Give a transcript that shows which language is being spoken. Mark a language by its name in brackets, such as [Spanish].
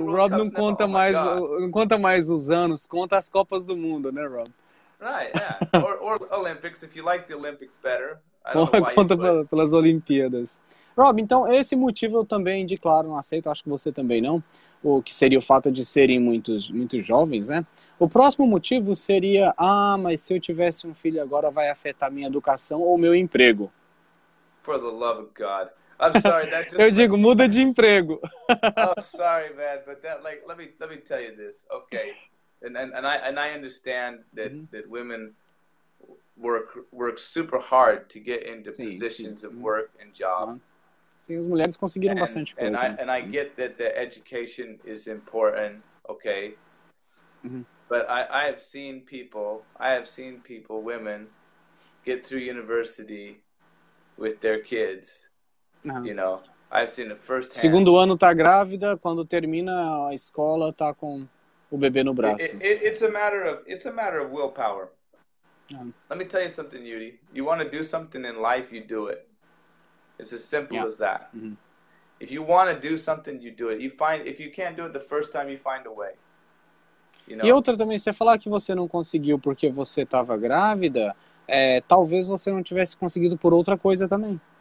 [Portuguese] O Rob não conta mais, não conta mais os anos, conta as Copas do Mundo, né, Rob? [English] Right, yeah. Or Olympics, if you like the Olympics better. [Portuguese] Conta pelas Olimpíadas. Rob, então, esse motivo eu também, de claro, não aceito, acho que você também não. O que seria o fato de serem muito jovens, né? O próximo motivo seria, mas se eu tivesse um filho agora, vai afetar minha educação ou meu emprego. [English] For the love of God. I'm sorry, that just... [Portuguese] Eu digo, muda de emprego. [English] I'm sorry, man, but that, like, let me tell you this, okay? And I understand that, that women work super hard to get into positions of work and job. [Portuguese] Sim, as mulheres conseguiram bastante coisa. [English] And I get that the education is important, okay? But I have seen people, women, get through university with their kids. You know, I've seen it firsthand. [Portuguese] Segundo ano tá grávida, quando termina a escola tá com o bebê no braço. [English] It's a matter of willpower. Let me tell you something, Yuri. You want to do something in life, you do it. It's as simple as that. Mm-hmm. If you want to do something, you do it. You find, if you can't do it the first time, you find a way. You know? [Portuguese] E outra também, você falar que você não conseguiu porque você estava grávida, talvez você não tivesse conseguido por outra coisa também.